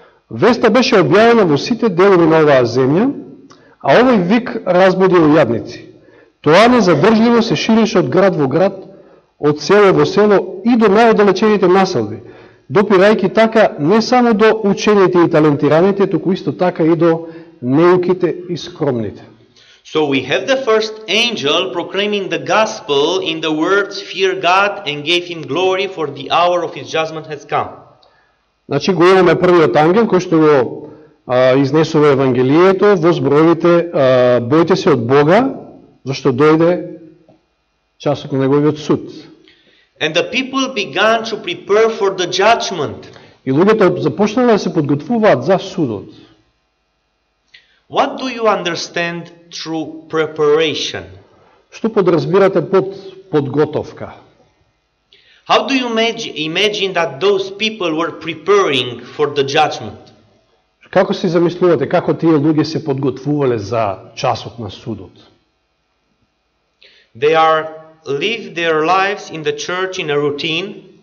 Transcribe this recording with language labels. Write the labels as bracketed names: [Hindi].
[Macedonian] Веста беше објавена во сите делови на оваа земја, а овој вик разбуди јадници. Тоа незадржливо се ширише од град во град, од село во село и до најодалечените населби, допирајќи така не само до учените и талентираните, туку исто така и до неуките и скромните. [English] So we have the first angel proclaiming the gospel in the words "Fear God and give him glory, for the hour of his judgment has come." [Macedonian] Значи го имаме првиот ангел кој што го изнесува евангелието во зборовите бојте се од Бога, зашто дојде часот на неговиот суд. [English] And the people began to prepare for the judgment. [Macedonian] И луѓето започнале да се подготвуваат за судот. [English] What do you understand through preparation? [Macedonian] Што подразбирате под подготовка? [English] How do you imagine that those people were preparing for the judgment? [Macedonian] Како си замислувате како тие луѓе се подготвувале за часот на судот? [English] They are live their lives in the church in a routine.